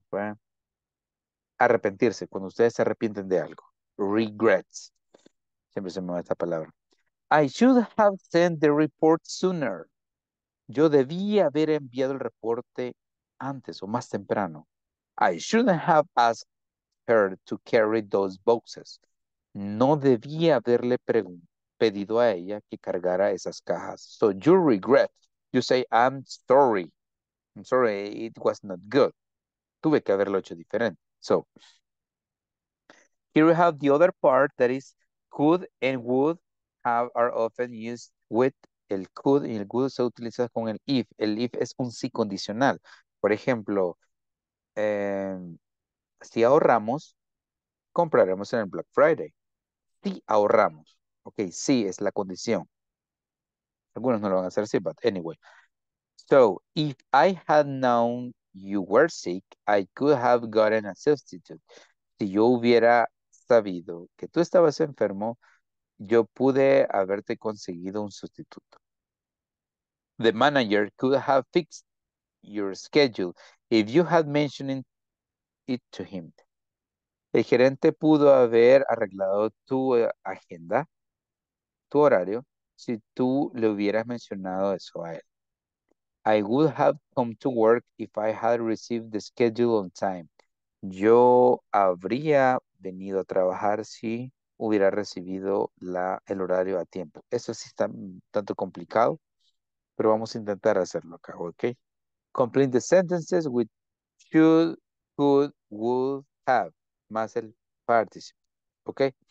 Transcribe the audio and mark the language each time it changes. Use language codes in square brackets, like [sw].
[es] Bueno, arrepentirse, cuando ustedes se arrepienten de algo. Regrets. Siempre se me va esta palabra. [en] I should have sent the report sooner. [es] Yo debía haber enviado el reporte antes o más temprano. [en] I shouldn't have asked her to carry those boxes. [es] No debía haberle pedido a ella que cargara esas cajas. [en] So you regret. You say, I'm sorry. I'm sorry, it was not good. [es] Tuve que haberlo hecho diferente. [en] So here we have the other part that is could and would have are often used with [es] el could y el would se utiliza con el if. El if es un sí condicional. Por ejemplo, si ahorramos, compraremos en el Black Friday. Si ahorramos. Ok, sí es la condición. Algunos no lo van a hacer así, [en] but anyway. So, if I had known you were sick, I could have gotten a substitute. [es] Si yo hubiera sabido que tú estabas enfermo, yo pude haberte conseguido un sustituto. [en] The manager could have fixed your schedule if you had mentioned it to him. [es] El gerente pudo haber arreglado tu agenda, tu horario, si tú le hubieras mencionado eso a él. [en] I would have come to work if I had received the schedule on time. [es] Yo habría venido a trabajar si hubiera recibido el horario a tiempo. Eso sí está tanto complicado, pero vamos a intentar hacerlo acá, ¿ok? [en] Complete the sentences with should, could, would, have, más el participle, ¿ok?